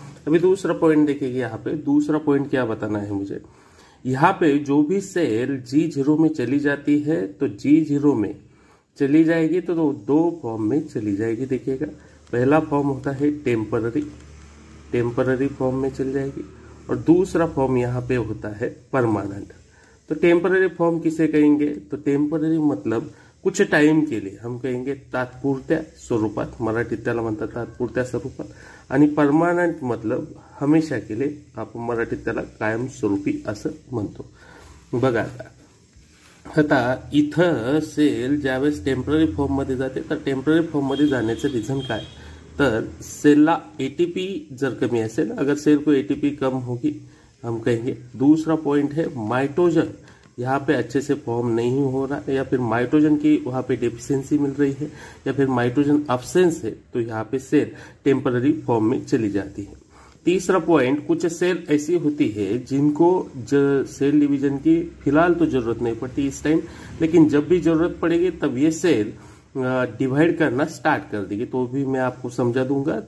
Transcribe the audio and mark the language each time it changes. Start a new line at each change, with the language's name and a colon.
Hindi: अभी दूसरा पॉइंट देखेंगे, यहाँ पे दूसरा पॉइंट क्या बताना है मुझे, यहाँ पे जो भी सेल G0 में चली जाती है तो G0 में चली जाएगी तो दो फॉर्म में चली जाएगी। देखिएगा पहला फॉर्म होता है टेम्पररी, टेम्पररी फॉर्म में चली जाएगी, और दूसरा फॉर्म यहाँ पे होता है परमानेंट। तो टेम्पररी फॉर्म किसे कहेंगे, तो टेम्पररी मतलब कुछ टाइम के लिए, हम कहेंगे तात्पूर्त्या स्वरूपात,
Marathi: मराठी त्याला म्हणतात तात्पूर्त्या स्वरूपात,
Hindi: आणि परमानंट मतलब हमेशा के लिए,
Marathi: आपण मराठी त्याला कायमस्वरूपी असं म्हणतो। बघा आता इथं सेल ज्यावेळेस टेम्पररी फॉर्ममध्ये जाते, तर टेम्पररी फॉर्ममध्ये जाण्याचं रिझन काय, तर सेलला ATP जर कमी असेल,
Hindi: अगर सेल को ATP कम होगी हम कहेंगे। दूसरा पॉइंट है माइटोजन, यहाँ पे अच्छे से फॉर्म नहीं हो रहा, या फिर माइटोजन की वहाँ पे डेफिशिएंसी मिल रही है, या फिर माइटोजन अब्सेंस है, तो यहाँ पे सेल टेम्पररी फॉर्म में चली जाती है। तीसरा पॉइंट, कुछ सेल ऐसी होती है जिनको सेल डिवीजन की फिलहाल तो जरूरत नहीं पड़ती इस टाइम, लेकिन जब भी जरूरत पड़ेगी तब ये सेल डिवाइड करना स्टार्ट कर देगी, तो भी मैं आपको समझा दूंगा।